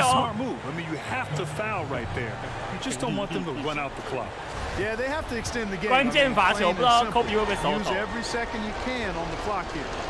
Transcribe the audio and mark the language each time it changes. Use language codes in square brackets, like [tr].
[en] I mean, you have to foul right there. You just don't want them to run out the clock. Yeah, they have to extend the game. [zh] 关键罚球，不知道科比会不会手抖。 [en] Use every second you can on the clock here.